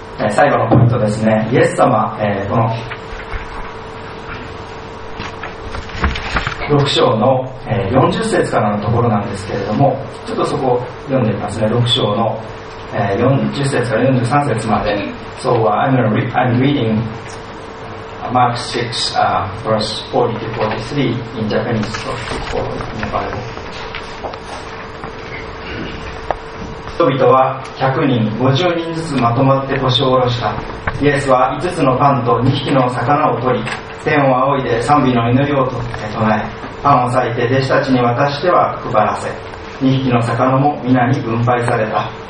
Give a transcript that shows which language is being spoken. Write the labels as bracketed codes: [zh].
[ja] 最後のポイントですね。イエス様、この 6章の40節からのところなんですけれども、ちょっとそこ読んでみますね。 6章の40節から43節まで。 [en] So I'm reading Mark 6, verse 40 to 43 in Japanese, so to follow in the Bible. [ja] 人々は100人、50人ずつまとまって腰を下ろした。イエスは5つのパンと2匹の魚を取り、天を仰いで賛美の祈りを唱え、パンを割いて弟子たちに渡しては配らせ、2匹の魚も皆に分配された。